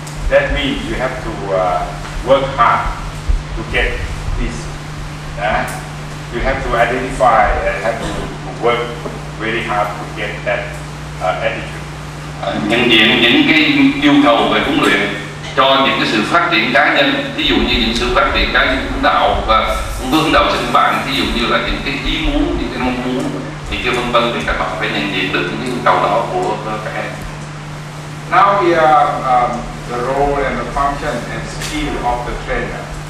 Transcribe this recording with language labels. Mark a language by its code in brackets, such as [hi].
[en] That means you have to work hard to get this. You have to identify and have to work really hard to get that attitude. [vi] Nhận diện những cái yêu cầu về huấn luyện cho những cái sự phát triển cá nhân, ví dụ như những sự phát triển cá nhân hướng đạo và hướng đạo sinh bạn, ví dụ như là những cái ý muốn, những cái mong muốn thì kia vân vân, thì các bạn phải nhận diện được những yêu cầu đó của các em. [en] Now we are the role and the function and skill of the trainer.